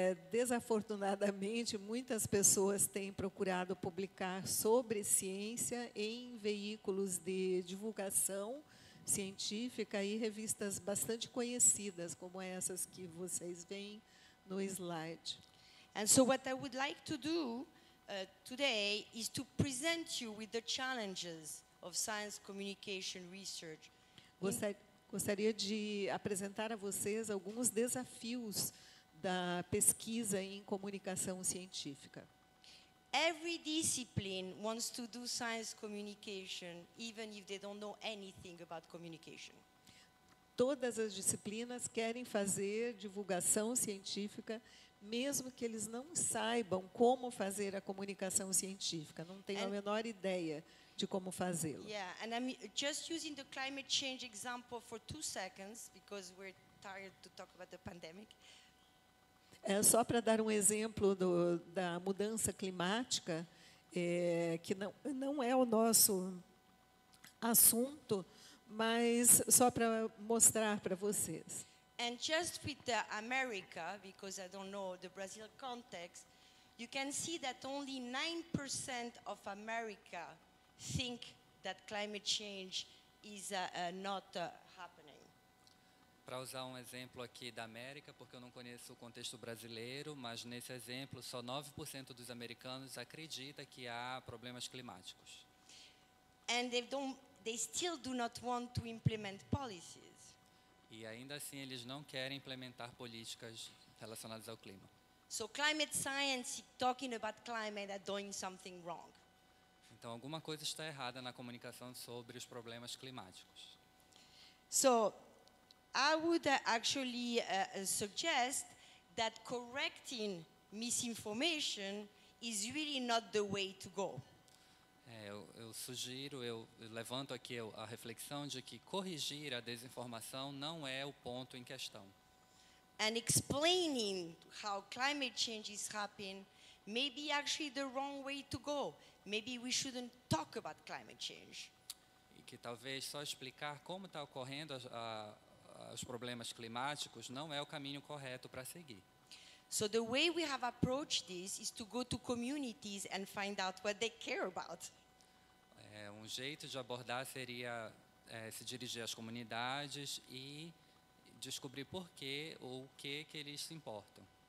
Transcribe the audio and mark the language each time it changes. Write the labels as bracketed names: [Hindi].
[Portuguese] Desafortunadamente, muitas pessoas têm procurado publicar sobre ciência em veículos de divulgação científica e revistas bastante conhecidas, como essas que vocês veem no slide. [English] And so what I would like to do today is to present you with the challenges of science communication research. [Portuguese] Gostaria de apresentar a vocês alguns desafios da pesquisa em comunicação científica. [English] Every discipline wants to do science communication, even if they don't know anything about communication. [Portuguese] Todas as disciplinas querem fazer divulgação científica, mesmo que eles não saibam como fazer a comunicação científica, não tenham a menor ideia de como fazê-lo. [English] Yeah, and I'm just using the climate change example for 2 seconds, because we're tired to talk about the pandemic. [Portuguese] É só para dar um exemplo da mudança climática, que não é o nosso assunto, mas só para mostrar para vocês. [English] And just with the America, because I don't know the Brazil context, you can see that only 9% of America think that climate change is not happening. [Portuguese] Para usar um exemplo aqui da América, porque eu não conheço o contexto brasileiro, mas nesse exemplo, só 9% dos americanos acredita que há problemas climáticos. [English] And they still do not want to implement policies. [Portuguese] E ainda assim eles não querem implementar políticas relacionadas ao clima. [English] So climate science talking about climate are doing something wrong. [Portuguese] Então alguma coisa está errada na comunicação sobre os problemas climáticos. [English] So I would actually suggest that correcting misinformation is really not the way to go. [Portuguese] Eu levanto aqui a reflexão de que corrigir a desinformação não é o ponto em questão. [English] And explaining how climate change is happening may be actually the wrong way to go. Maybe we shouldn't talk about climate change. [Portuguese] E que talvez só explicar como está ocorrendo os problemas climáticos não é o caminho correto para seguir. [English] So the way we have approached this is to go to communities and find out what they care about. [Portuguese] Um jeito de abordar seria se dirigir às comunidades e descobrir por quê ou o que que eles se importam.